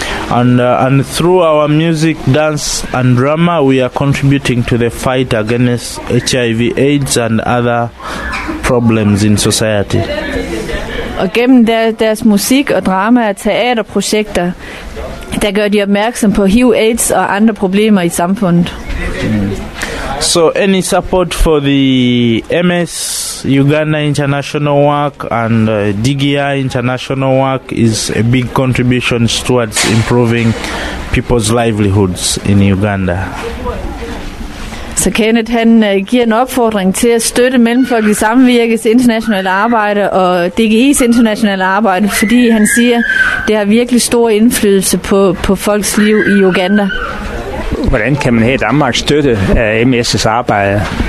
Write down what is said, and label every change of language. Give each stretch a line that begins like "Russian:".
English: And through our music, dance and drama, we are contributing to the fight against HIV, AIDS and other problems in society.
Danish: Og gennem deres musik og drama og teaterprojekter, der gør de opmærksom på HIV, AIDS og andre problemer i samfundet.
English: So any support for the MS Uganda International Work and DGI International Work is a big contribution towards improving people's livelihoods in Uganda.
Danish: Så Kenneth, han giver en opfordring til at støtte Mellemfolkelig Samvirkes internationale arbejde og DGI's internationale arbejde, fordi han siger, det har virkelig stor indflydelse på folks liv i Uganda. Hvordan kan man her i Danmark støtte MS's arbejde?